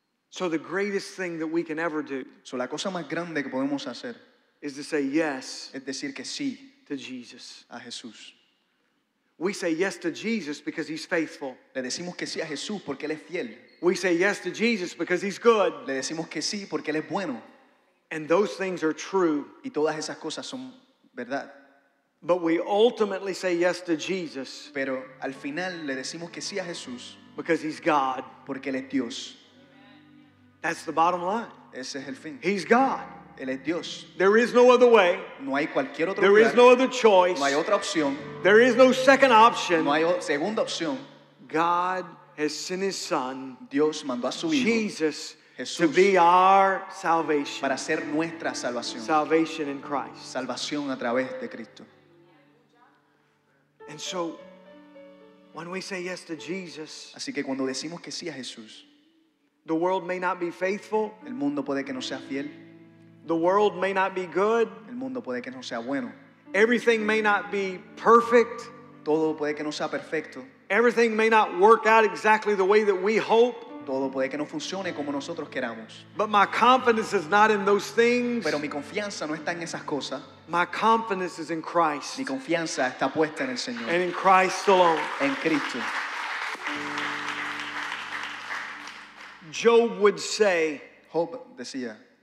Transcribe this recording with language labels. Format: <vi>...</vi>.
<en>So the greatest thing that we can ever do</en> <es>so la cosa más grande que podemos hacer</es> <en>is to say yes</en> <es>es decir que sí</es> <en>to Jesus</en> <es>a Jesús.</es> <en>We say yes to Jesus because He's faithful.</en> <es>Le decimos que sí a Jesús porque él es fiel.</es> <en>We say yes to Jesus because He's good.</en> <es>Le decimos que sí porque él es bueno.</es> <en>And those things are true.</en> <es>Y todas esas cosas son verdad.</es> <en>But we ultimately say yes to Jesus.</en> <es>Pero al final le decimos que sí a Jesús</es> <en>because He's God.</en> <es>Porque él es Dios.</es> <en>That's the bottom line.</en> <es>Ese es el fin.</es> <en>He's God.</en> <es>Él es Dios.</es> <en>There is no other way.</en> <es>No hay cualquier otro</es> <en>there</en> <es>lugar.</es> <en>Is no other choice.</en> <es>No hay otra opción.</es> <en>There is no second option.</en> <es>No hay segunda opción.</es> <en>God has sent His Son,</en> <es>Dios mandó a su hijo,</es> <en>Jesus,</en> <es>Jesús,</es> <en>to be our salvation.</en> <es>Para ser nuestra salvación.</es> <en>Salvation in Christ.</en> <es>Salvación a través de Cristo.</es> <en>And so, when we say yes to Jesus,</en> <es>así que cuando decimos que sí a Jesús,</es> <en>the world may not be faithful.</en> <es>El mundo puede que no sea fiel.</es> <en>The world may not be good.</en> <es>El mundo puede que no sea bueno.</es> <en>Everything may not be perfect.</en> <es>Todo puede que no sea perfecto.</es> <en>Everything may not work out exactly the way that we hope.</en> <es>Todo puede que no funcione como nosotros queramos.</es> <en>But my confidence is not in those things.</en> <es>Pero mi confianza no está en esas cosas.</es> <en>My confidence is in Christ.</en> <es>Mi confianza está puesta en el Señor.</es> <en>And in Christ alone.</en> <es>En Cristo.</es> <en>Job would say,</en> <es>Job decía,</es>